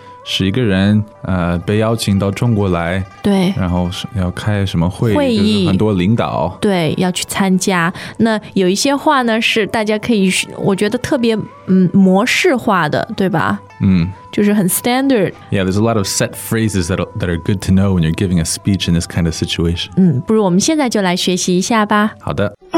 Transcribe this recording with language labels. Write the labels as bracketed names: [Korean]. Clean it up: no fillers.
[Chinese] 是一个人被邀请到中国来，对，然后要开什么会议，就是很多领导，对，要去参加。那有一些话呢，是大家可以，我觉得特别模式化的，对吧？嗯，就是很 [English] standard. Yeah, there's a lot of set phrases that are good to know when you're giving a speech in this kind of situation. [Chinese] 嗯，不如我们现在就来学习一下吧。好的。